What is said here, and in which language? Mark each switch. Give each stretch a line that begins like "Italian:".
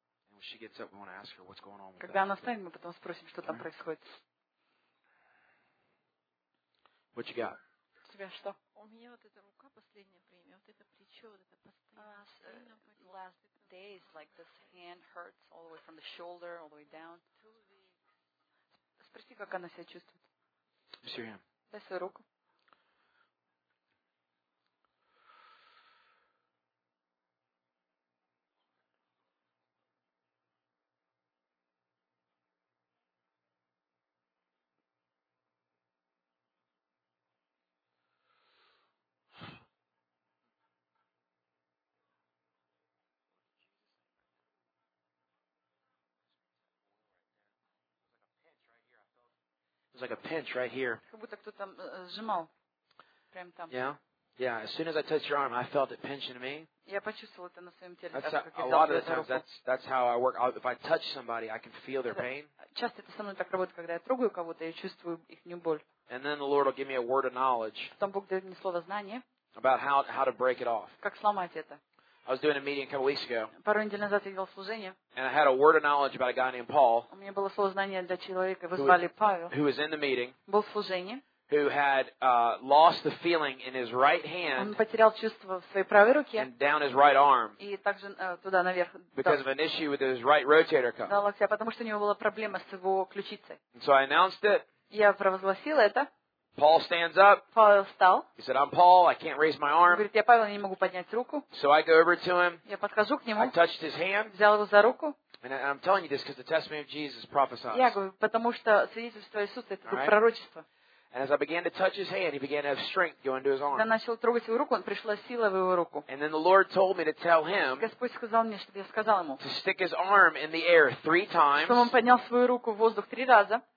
English: When she gets up, we want to ask her what's going on.
Russian: Когда она встанет, мы потом спросим, что там происходит.
English: What you got?
Russian: У тебя что? У меня вот эта рука последнее время, вот это плечо, вот это постоянно.
English: Last days, like this hand hurts all the way from the shoulder all the way down.
Russian: Спроси, как она себя чувствует. Сирен. Дай свою руку.
English: It's like a pinch right here.
Russian: Как будто кто-то сжимал прямо там.
English: Yeah, yeah. As soon as I touched your arm, I felt it pinching me.
Russian: Я почувствовал это на своем теле.
English: A lot of the times, that's how I work. If I touch somebody, I can feel their pain.
Russian: Часто это со мной так работает, когда я трогаю кого-то, я чувствую их боль.
English: And then the Lord will give me a word of knowledge.
Russian: Потом Бог дает мне слово знания.
English: About how to break it off.
Russian: Как сломать это.
English: I was doing a meeting a couple weeks ago.
Russian: Пару недель назад я делал служение.
English: And I had a word of knowledge about a guy named Paul.
Russian: У меня было слово знания для человека, его звали Павел.
English: Who was in the meeting?
Russian: Был в служении.
English: Who had lost the feeling in his right hand?
Russian: Он потерял чувство в своей правой руке.
English: And down his right arm.
Russian: И также туда наверх.
English: Because of an issue with his right rotator cuff.
Russian: Да, локтя, потому что у него была проблема с его ключицей.
English: And so I announced it.
Russian: Я провозгласил это.
English: Paul stands up.
Russian: Павел встал.
English: He said, "I'm Paul. I can't raise my arm."
Russian: Говорит, я Павел, я не могу поднять руку.
English: So I go over to him.
Russian: Я подхожу к нему.
English: I touched his hand.
Russian: Взял его за руку.
English: And I'm telling you this because the testimony of Jesus prophesies.
Russian: Я говорю, потому что свидетельство Иисуса это пророчество.
English: And as I began to touch his hand, he began to have strength going to his arm.
Russian: Когда начал трогать его руку, он пришла сила в его руку.
English: And then the Lord told me to tell him.
Russian: Господь сказал мне, чтобы я сказал ему.
English: To stick his arm in the air three times.
Russian: Чтобы он поднял свою руку в воздух три раза.